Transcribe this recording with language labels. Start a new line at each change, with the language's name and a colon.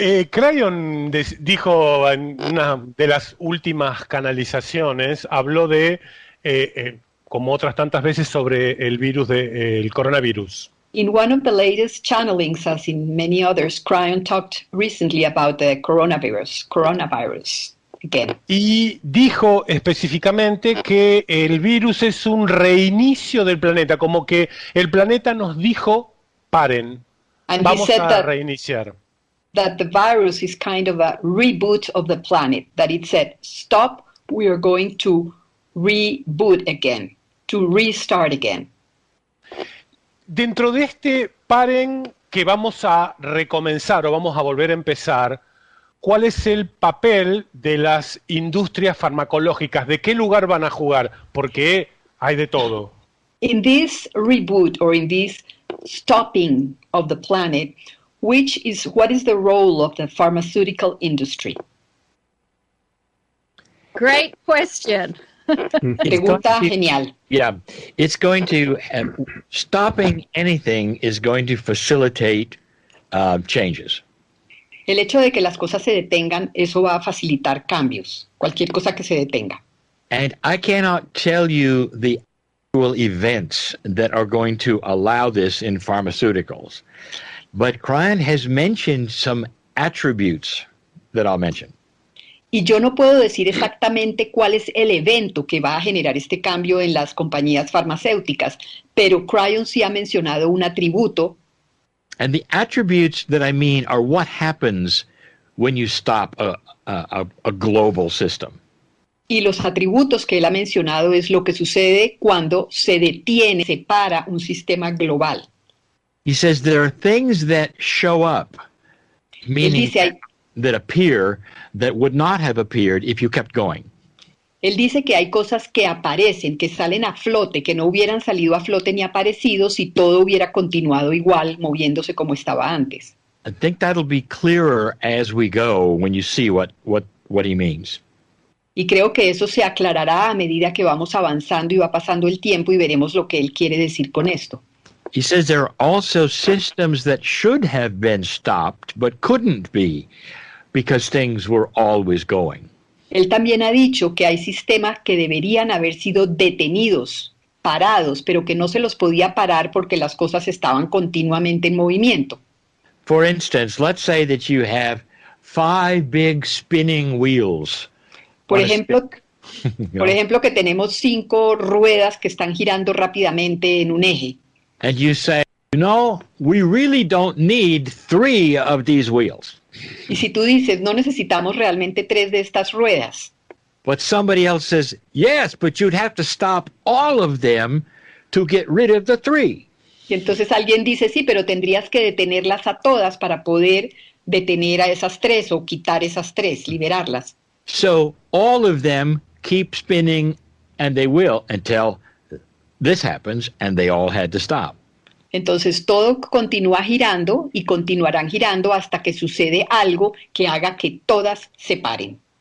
Spanish: Crayon dijo en una de las últimas canalizaciones, habló de, como otras tantas veces, sobre el virus de, el coronavirus.
English: In one of the latest channelings, as in many others, Crayon talked recently about the coronavirus again.
Spanish: Y dijo específicamente que el virus es un reinicio del planeta, como que el planeta nos dijo, paren,
English: and
Spanish: vamos
English: he said
Spanish: a
English: that,
Spanish: reiniciar.
English: That the virus is kind of a reboot of the planet, that it said, stop, we are going to reboot again, to restart again.
Spanish: Dentro de este paren que vamos a recomenzar o vamos a volver a empezar, ¿cuál es el papel de las industrias farmacológicas? ¿De qué lugar van a jugar? Porque hay de todo.
English: In this reboot or in this stopping of the planet, what is the role of the pharmaceutical industry? Great question.
Spanish: Pregunta genial.
English: Yeah, it's going to, stopping anything is going to facilitate changes.
Spanish: El hecho de que las cosas se detengan, eso va a facilitar cambios, cualquier cosa que se detenga.
English: And I cannot tell you the actual events that are going to allow this in pharmaceuticals, but Crayon has mentioned some attributes that I'll mention.
Spanish: Y yo no puedo decir exactamente cuál es el evento que va a generar este cambio en las compañías farmacéuticas, pero Crayon sí ha mencionado un atributo.
English: And the attributes that I mean are what happens when you stop a global system.
Spanish: Y los atributos que él ha mencionado es lo que sucede cuando se detiene, se para un sistema global.
English: He says there are things that show up, meaning that appear that would not have appeared if you kept going.
Spanish: Él dice que hay cosas que aparecen, que salen a flote, que no hubieran salido a flote ni aparecido si todo hubiera continuado igual, moviéndose como estaba antes.
English: I think that'll be clearer as we go when you see what he means.
Spanish: Y creo que eso se aclarará a medida que vamos avanzando y va pasando el tiempo y veremos lo que él quiere decir con esto.
English: He says there are also systems that should have been stopped but couldn't be because things were always going.
Spanish: Él también ha dicho que hay sistemas que deberían haber sido detenidos, parados, pero que no se los podía parar porque las cosas estaban continuamente en movimiento.
English: For instance, let's say that you have five big spinning wheels.
Spanish: Por ejemplo, que tenemos cinco ruedas que están girando rápidamente en un eje.
English: And you say, You know, we really don't need three of these wheels.
Spanish: Y si tú dices, no necesitamos realmente tres de estas ruedas.
English: But somebody else says, yes, but you'd have to stop all of them to get rid of the three.
Spanish: Y entonces alguien dice, sí, pero tendrías que detenerlas a todas para poder detener a esas tres o quitar esas tres, liberarlas.
English: So all of them keep spinning, and they will, until this happens, and they all had to stop.
Spanish: Entonces todo continúa girando y continuarán girando hasta que sucede algo que haga que todas se paren.